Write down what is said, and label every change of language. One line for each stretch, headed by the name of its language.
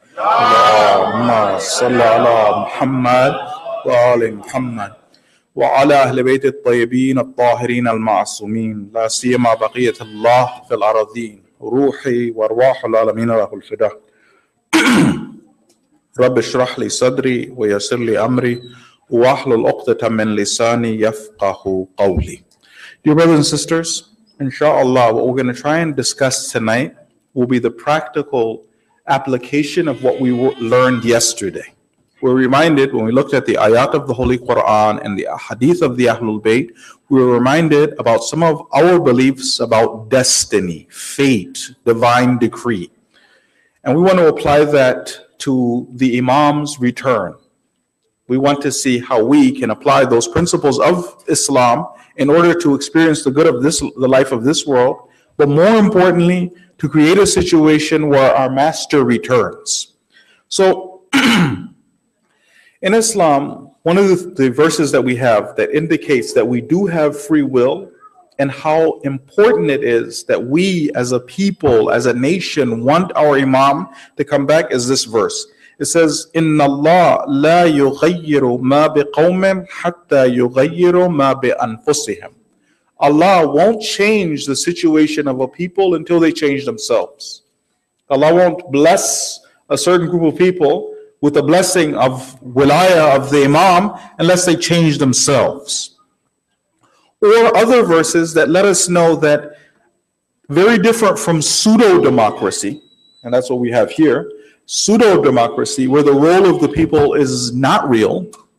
Arabic: اللهم صل على محمد وعلى محمد وعلى أهل بيت الطيبين الطاهرين المعصومين، لا سيما بقية الله في الأرضين، روحي وارواح العالمين له الفداء. رب اشرح لي صدري ويسر لي أمري واحلل عقدة من لساني يفقه قولي.
English: Dear brothers and sisters, inshallah, what we're going to try and discuss tonight will be the practical application of what we learned yesterday. We're reminded when we looked at the ayat of the Holy Quran and the hadith of the Ahlul Bayt, we were reminded about some of our beliefs about destiny, fate, divine decree. And we want to apply that to the Imam's return. We want to see how we can apply those principles of Islam in order to experience the good of this, the life of this world, but more importantly, to create a situation where our master returns. So, in Islam, one of the verses that we have that indicates that we do have free will and how important it is that we as a people, as a nation, want our imam to come back is this verse. It says,
Arabic: إِنَّ اللَّهَ لَا يُغَيِّرُ مَا بِقَوْمٍ حَتَّى يُغَيِّرُ مَا بِأَنفُسِهِمْ.
English: Allah won't change the situation of a people until they change themselves. Allah won't bless a certain group of people with the blessing of wilaya of the imam unless they change themselves. Or other verses that let us know that very different from pseudo-democracy, and that's what we have here, pseudo-democracy, where the role of the people is not real.